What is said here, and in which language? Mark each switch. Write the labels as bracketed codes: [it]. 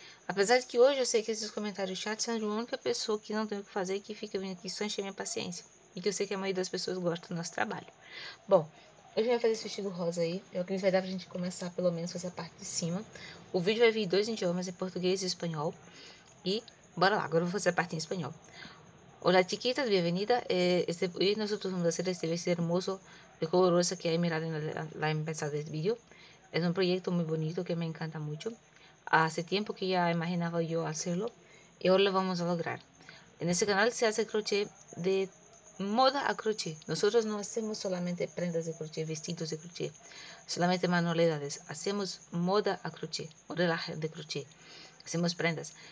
[pt] Apesar de que hoje eu sei que esses comentários chatos são de uma única pessoa que não tem o que fazer e que fica vindo aqui só encher minha paciência. E que eu sei que a maioria das pessoas gosta do nosso trabalho. Bom, eu já ia fazer esse vestido rosa aí. Eu acredito que vai dar pra gente começar pelo menos com essa parte de cima. O vídeo vai vir em dois idiomas, em português e espanhol. E bora lá, agora eu vou fazer a parte em espanhol. [es] Olá, chiquitas, bienvenida. Este, hoy nosotros vamos hacer este vestido hermoso de color rosa que hay mirado en la empezada del vídeo. [pt] É um projeto muito bonito que me encanta muito. [es] Hace tiempo que ya imaginaba yo hacerlo y ahora lo vamos a lograr. En este canal se hace crochet de moda a crochet. Nosotros no hacemos solamente prendas de crochet, vestidos de crochet, solamente manualidades. Hacemos moda a crochet, modelaje de crochet. Hacemos prendas.